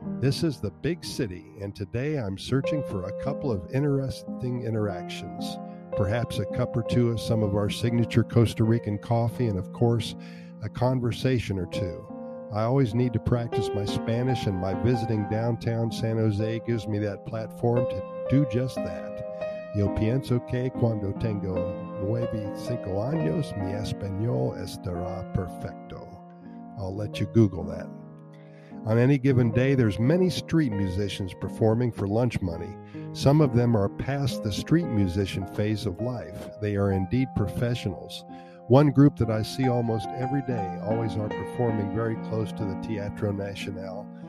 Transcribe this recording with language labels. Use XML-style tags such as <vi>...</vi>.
<en>This is the big city, and today I'm searching for a couple of interesting interactions. Perhaps a cup or two of some of our signature Costa Rican coffee, and of course, a conversation or two. I always need to practice my Spanish, and my visiting downtown San Jose gives me that platform to do just that.</en> <es>Yo pienso que cuando tengo 9 y 5 años, mi español estará perfecto.</es> <en>I'll let you Google that. On any given day, there's many street musicians performing for lunch money. Some of them are past the street musician phase of life. They are indeed professionals. One group that I see almost every day always are performing very close to the Teatro Nacional.</en>